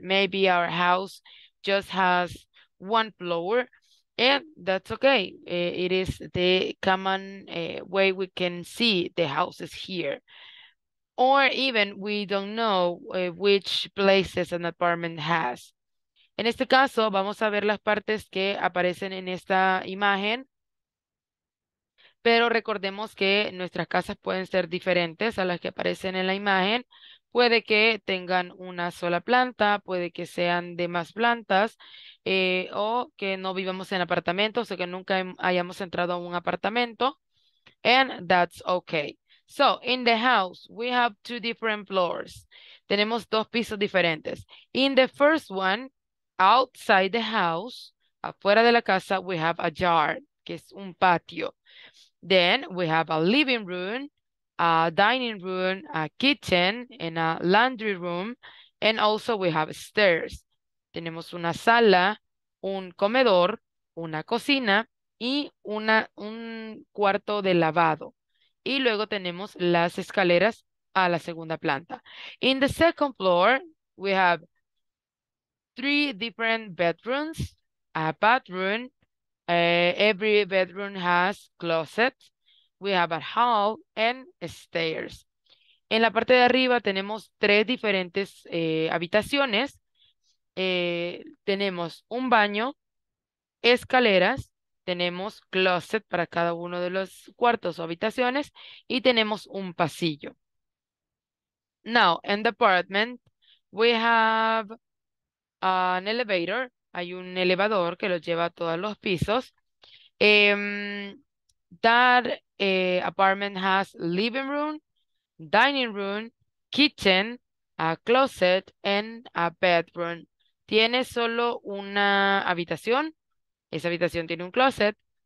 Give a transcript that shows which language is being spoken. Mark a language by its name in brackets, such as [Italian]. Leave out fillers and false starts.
[English] Maybe our house just has one floor. And that's okay. It is the common way we can see the houses here. Or even we don't know which places an apartment has. [Spanish] En este caso, vamos a ver las partes que aparecen en esta imagen. Pero recordemos que nuestras casas pueden ser diferentes a las que aparecen en la imagen. Puede que tengan una sola planta, puede que sean de más plantas, o que no vivamos en apartamentos, o que nunca hayamos entrado a un apartamento. [English] And that's okay. So, in the house, we have two different floors. [Spanish] Tenemos dos pisos diferentes. [English] In the first one, outside the house, [Spanish] afuera de la casa, [English] we have a yard, [Spanish] que es un patio. [English] Then, we have a living room, a dining room, a kitchen, and a laundry room, and also we have stairs. [Spanish] Tenemos una sala, un comedor, una cocina, y un cuarto de lavado. Y luego tenemos las escaleras a la segunda planta. [English] In the second floor, we have three different bedrooms, a bathroom. Every bedroom has closets. We have a hall and stairs. [Spanish] En la parte de arriba tenemos tres diferentes habitaciones. Tenemos un baño, escaleras, tenemos closet para cada uno de los cuartos o habitaciones y tenemos un pasillo. [English] Now, in the apartment, we have an elevator. [Spanish] Hay un elevador que lo lleva a todos los pisos. [English] That apartment has living room, dining room, kitchen, a closet, and a bedroom. [Spanish] Tiene solo una habitación. Esa habitación tiene un closet.